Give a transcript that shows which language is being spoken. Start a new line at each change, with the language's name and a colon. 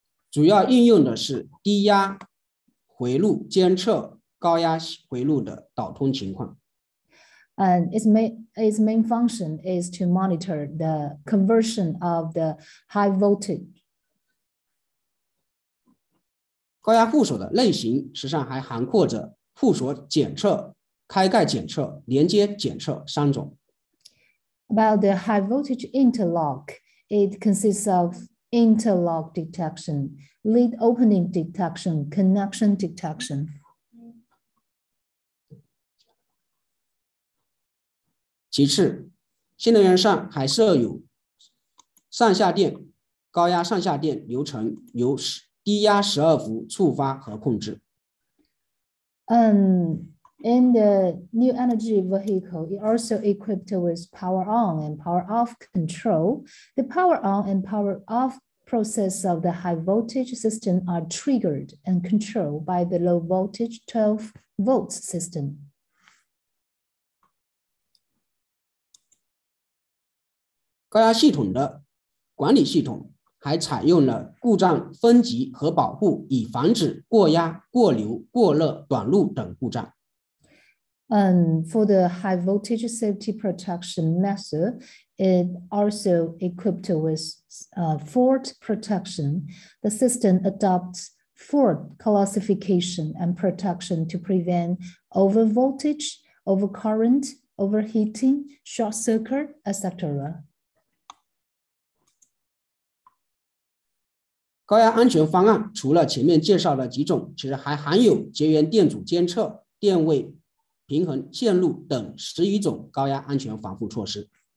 Chinese: 主要应用的是低压回路监测高压回路的导通情况。
English: And its main function is to monitor the conversion of the high voltage.
Chinese: 高压护锁的类型实际上还涵括着护锁检测、开盖检测、连接检测三种。
English: About the high voltage interlock, it consists of interlock detection, lead opening detection, connection detection.
Chinese: 其次，新能源上还设有上下电、高压上下电流程由低压十二伏触发和控制。
English: In the new energy vehicle, it also equipped with power on and power off control. The power on and power off process of the high voltage system are triggered and controlled by the low voltage 12 volts system.
Chinese: 高压系统的管理系统还采用了故障分级和保护，以防止过压、过流、过热、短路等故障。
English: For the high voltage safety protection method, it also equipped with fault protection. The system adopts fault classification and protection to prevent overvoltage, overcurrent, overheating, short circuit, etc.
Chinese: 高压安全方案除了前面介绍的几种，其实还含有绝缘电阻监测、电位平衡线路等十余种高压安全防护措施。